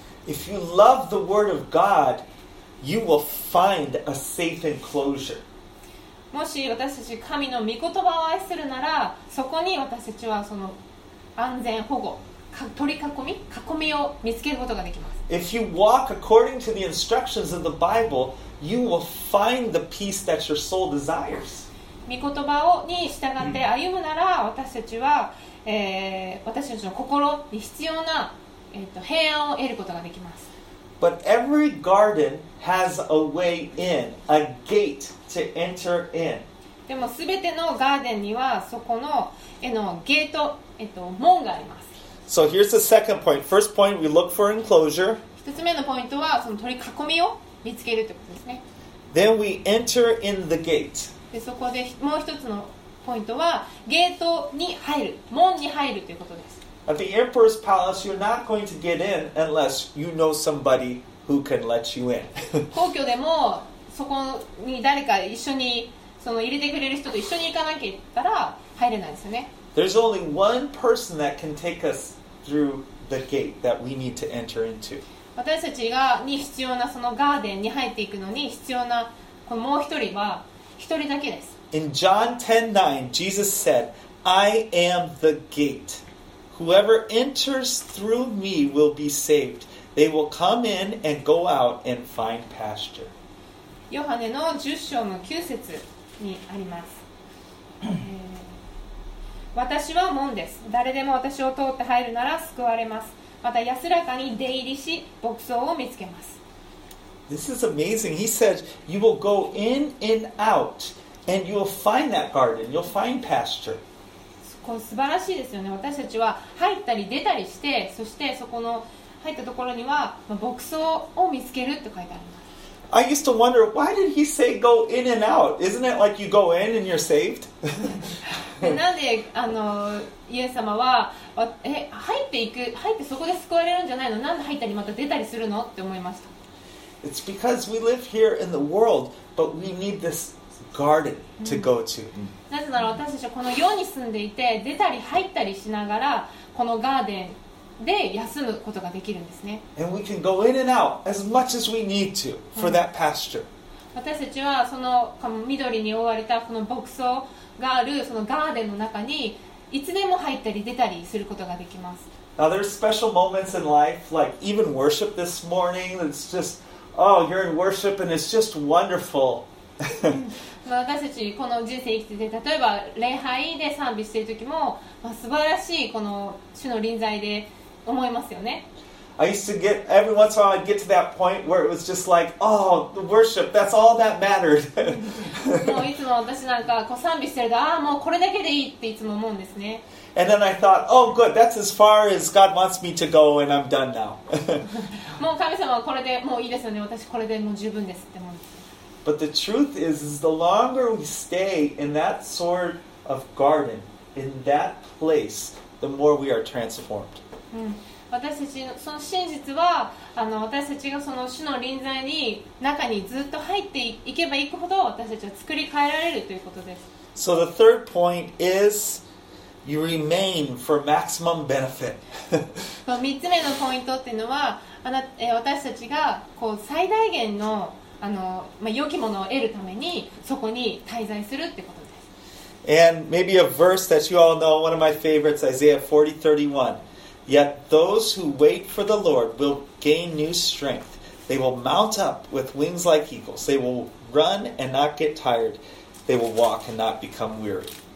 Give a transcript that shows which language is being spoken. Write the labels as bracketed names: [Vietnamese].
[English] If you love the word of God, you will find a safe enclosure. [Japanese] もし私たち神の御言葉を愛するなら、そこに私たちはその安全保護、取り囲み、囲みを見つけることができます。 [English] If you walk according to the instructions of the Bible, you will find the peace that your soul desires. [Japanese] 御言葉に従って歩むなら、私たちは、私たちの心に必要な、平安を得ることができます。 [English] But every garden has a way in, a gate to enter in. [Japanese] でも全てのガーデンにはそこの、ゲート、門があります。 [English] So here's the second point. First point, we look for enclosure. [Japanese] 一つ目のポイントはその取り囲みを見つけるということですね。 [English] Then we enter in the gate. [Japanese] でそこでもう一つのポイントはゲートに入る、門に入るということです。 [English] At the emperor's palace, you're not going to get in unless you know somebody who can let you in. [Japanese] 皇居でもそこに誰か一緒にその入れてくれる人と一緒に行かなきゃったら入れないですよね。 [English] There's only one person that can take us through the gate that we need to enter into. [Japanese] 私たちがに必要なそのガーデンに入っていくのに必要なこのもう一人は一人だけです。 [English] In John 10:9, Jesus said, "I am the gate." Whoever enters through me will be saved. They will come in and go out and find pasture. [Japanese] ヨハネの10章の9節にあります。私は門です。誰でも私を通って入るなら救われます。また安らかに出入りし、牧草を見つけます。 [English] This is amazing. He says, you will go in and out, and you will find that garden. You'll find pasture. [Japanese] 素晴らしいですよね。私たちは入ったり出たりして、そしてそこの入ったところには牧草を見つけるって書いてあります。 [English] I used to wonder, why did he say go in and out? Isn't it like you go in and you're saved? [Japanese] なんでイエス様は、入っていく、入ってそこで救われるんじゃないの？なんで入ったりまた出たりするの？って思いました。 [English] It's because we live here in the world, but we need this garden to go to. [Japanese] なぜなら私たちはこの世に住んでいて出たり入ったりしながらこのガーデンで休むことができるんですね。 [English] And we can go in and out as much as we need to for that pasture. [Japanese] 私たちはその緑に覆われたこの牧草があるそのガーデンの中にいつでも入ったり出たりすることができます。 [English] Now there's special moments in life, like even worship this morning. It's just, oh, you're in worship and it's just wonderful. [Japanese] 私たちこの人生生きてて、例えば礼拝で賛美している時も、まあ、素晴らしいこの主の臨在で思いますよね。 [English] I used to get, every once in a while I'd get to that point where it was just like, oh, the worship, that's all that mattered. [Japanese] もういつも私なんかこう賛美してると、ああ、もうこれだけでいいっていつも思うんですね。 [English] And then I thought, oh, good, that's as far as God wants me to go and I'm done now. [Japanese] もう神様はこれでもういいですよね。私これでもう十分ですって思うんです。 [English] But the truth is the longer we stay in that sort of garden, in that place, the more we are transformed.、 [Japanese] うん、私たちのその真実は私たちがその主の臨在に中にずっと入っていけばいくほど私たちは作り変えられるということです。 [English] So the third point is you remain for maximum benefit. [Japanese] 3つ目のポイントっていうのは私たちがこう最大限のまあ、良きものを得るためにそこに滞在するってことです。 [English] And maybe a verse that you all know, one of my favorites, Isaiah 40:31. Yet those who wait for the Lord will gain new strength. They will mount up with wings like eagles. They will run and not get tired. They will walk and not become weary.